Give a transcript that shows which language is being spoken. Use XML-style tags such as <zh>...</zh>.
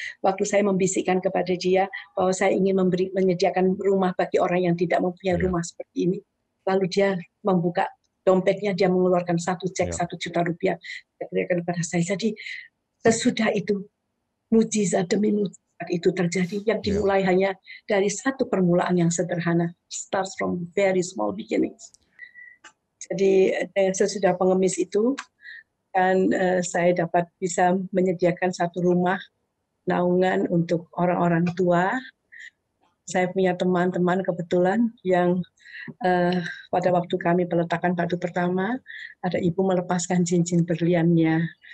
<id>Waktu saya membisikkan kepada dia bahwa saya ingin menyediakan rumah bagi orang yang tidak mempunyai rumah seperti ini. Lalu dia membuka dompetnya, dia mengeluarkan satu cek 1 juta rupiah. Dia berikan kepada saya. Jadi sesudah itu mujizat demi mujizat itu terjadi, yang dimulai hanya dari satu permulaan yang sederhana.</id> <en>Starts from very small beginnings.</en> <id>Jadi sesudah pengemis itu, dan saya dapat bisa menyediakan satu rumah naungan untuk orang-orang tua. Saya punya teman-teman kebetulan yang pada waktu kami peletakan batu pertama, ada ibu melepaskan cincin berliannya.</id>